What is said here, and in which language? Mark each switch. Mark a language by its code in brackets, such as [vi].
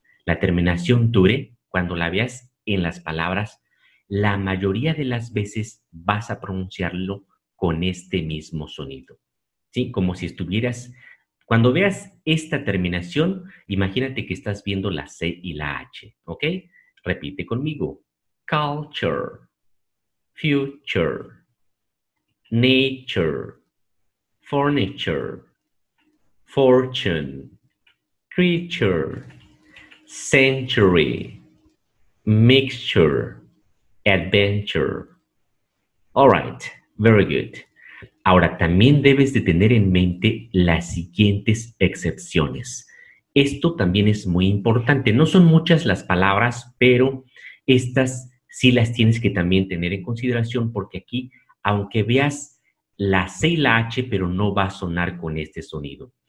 [es] La terminación ture, cuando la veas en las palabras, la mayoría de las veces vas a pronunciarlo con este mismo sonido, ¿sí? Como si estuvieras, cuando veas esta terminación, imagínate que estás viendo la C y la H, ¿ok? Repite conmigo. [en] Culture, future, nature, furniture, fortune, creature, century, mixture. Adventure. All right, very good. [es] Ahora, también debes de tener en mente las siguientes excepciones. Esto también es muy importante. No son muchas las palabras, pero estas sí las tienes que también tener en consideración porque aquí, aunque veas la C y la H, pero no va a sonar con este sonido.